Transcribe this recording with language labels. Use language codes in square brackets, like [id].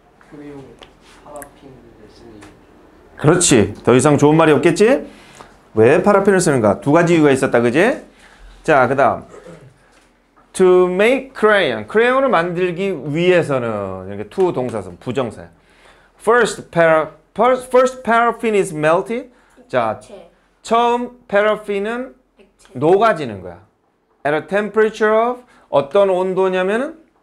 [ko] 크레용, 파라핀을 쓰는. 그렇지. 더 이상 좋은 말이 없겠지? 왜 파라핀을 쓰는가? 두 가지 이유가 있었다, 그지? 자, 그 다음. [en] To make crayon. [ko] 크레용을 만들기 위해서는 이렇게 to 동사선 부정사. [en] First paraffin is melted. [ko] 자, 처음 paraffin은 녹아지는 거야. [en] At a temperature of [ko] 어떤 온도냐면은